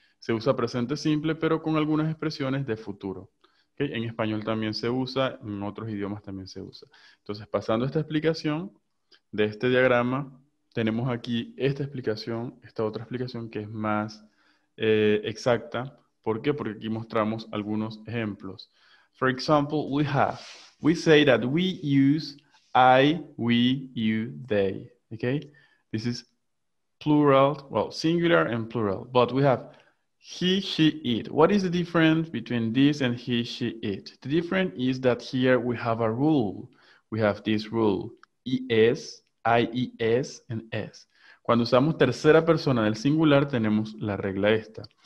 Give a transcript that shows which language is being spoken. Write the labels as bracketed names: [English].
[Spanish] Se usa presente simple, pero con algunas expresiones de futuro. ¿Okay? En español también se usa, en otros idiomas también se usa. Entonces, pasando a esta explicación de este diagrama, tenemos aquí esta explicación, esta otra explicación que es más exacta. ¿Por qué? Porque aquí mostramos algunos ejemplos. [English] For example, we say that we use I, we, you, they. Okay? This is plural, well, singular and plural. But we have he, she, it. What is the difference between this and he, she, it? The difference is that here we have a rule. We have this rule. ES, IES, and S. [Spanish] Cuando usamos tercera persona del singular, tenemos la regla esta.